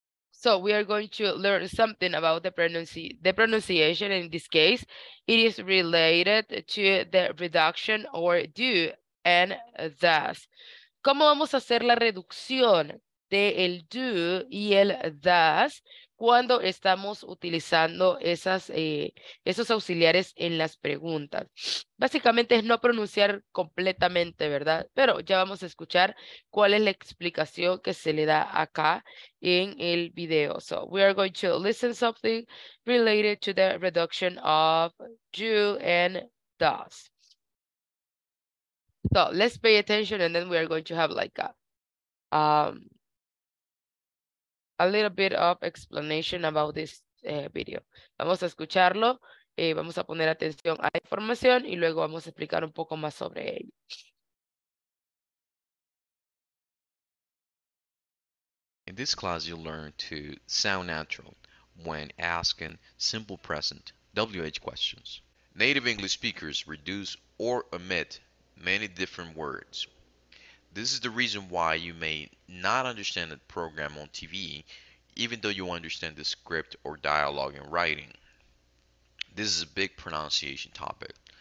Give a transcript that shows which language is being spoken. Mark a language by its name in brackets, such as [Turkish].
[English] So we are going to learn something about the pronunciation in this case. It is related to the reduction or do and thus. [Spanish] ¿Cómo vamos a hacer la reducción del do y el thus cuando estamos utilizando esos auxiliares en las preguntas? Básicamente es no pronunciar completamente, ¿verdad? Pero ya vamos a escuchar cuál es la explicación que se le da acá en el video. [English] So, we are going to listen something related to the reduction of do and does. So, let's pay attention and then we are going to have like a little bit of explanation about this video. Vamos a escucharlo, vamos a poner atención a la información y luego vamos a explicar un poco más sobre ello. In this class, you'll learn to sound natural when asking simple present WH questions. Native English speakers reduce or omit many different words. This is the reason why you may not understand the program on TV, even though you understand the script or dialogue in writing. This is a big pronunciation topic.